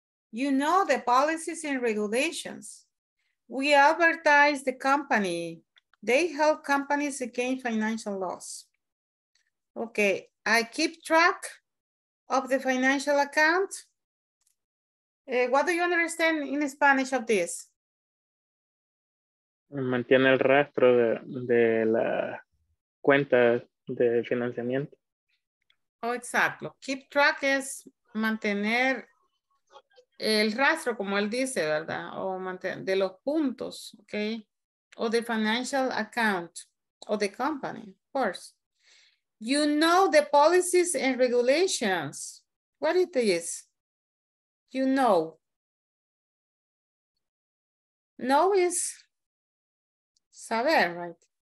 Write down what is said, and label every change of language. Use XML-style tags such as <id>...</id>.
<en>You know the policies and regulations. We advertise the company. They help companies against financial loss. Okay, I keep track of the financial account. What do you understand in Spanish of this?</en> <es>Mantiene el rastro de la cuenta de financiamiento. Oh, exacto.</es> <en>Keep track</en> <es>es mantener el rastro, como él dice, ¿verdad? O mantener de los puntos, ¿ok?</es> <en>O the financial account, o the company, of course. You know the policies and regulations. What it is? You know. Know is saber, right?</en>